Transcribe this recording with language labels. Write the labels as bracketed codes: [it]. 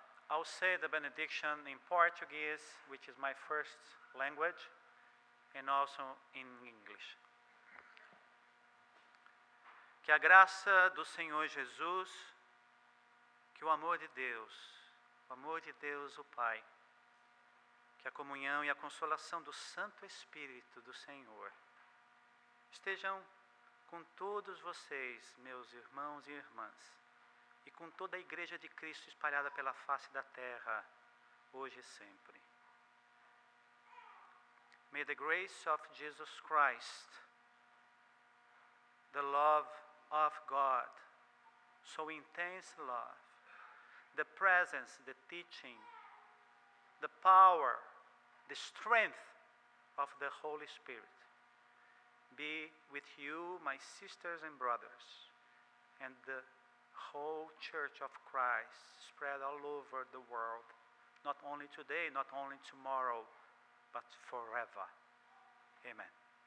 [en] I'll say the benediction in Portuguese, which is my first language, and also in English. [pt] Que a graça do Senhor Jesus, que o amor de Deus o Pai, que a comunhão e a consolação do Santo Espírito do Senhor estejam com todos vocês, meus irmãos e irmãs, e com toda a Igreja de Cristo espalhada pela face da terra, hoje e sempre. [en] May the grace of Jesus Christ, the love of God, so intense love, the presence, the teaching, the power, the strength of the Holy Spirit, be with you, my sisters and brothers, and the whole Church of Christ spread all over the world, not only today, not only tomorrow, but forever. Amen.